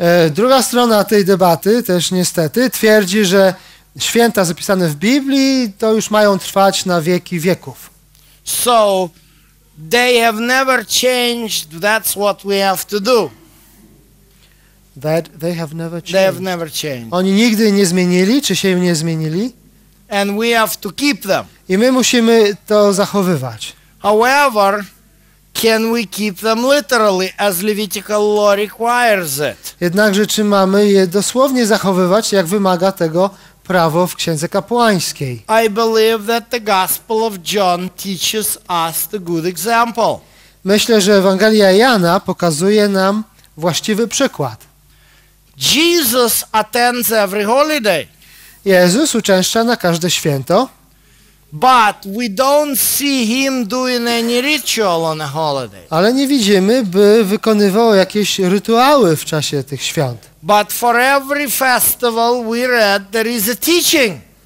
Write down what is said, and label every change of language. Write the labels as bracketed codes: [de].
[pl] Druga strona tej debaty też niestety twierdzi, że święta zapisane w Biblii to już mają trwać na wieki wieków. [en] So they have never changed, that's what we have to do. That they have never changed. They have never changed. [pl] Oni nigdy nie zmienili, czy się nie zmienili? [en] And we have to keep them. [pl] I my musimy to zachowywać. [en] However, can we keep them literally as Levitical law requires it? [pl] Jednakże czy mamy je dosłownie zachowywać, jak wymaga tego prawo w Księdze Kapłańskiej? [en] I believe that the Gospel of John teaches us the good example. [pl] Myślę, że Ewangelia Jana pokazuje nam właściwy przykład. [en] Jesus attends every holiday. [pl] Jezus uczęszcza na każde święto. [en] But we don't see him doing any ritual on a holiday. [pl] Ale nie widzimy, by wykonywał jakieś rytuały w czasie tych świąt. [en] But for every festival we read there is a teaching.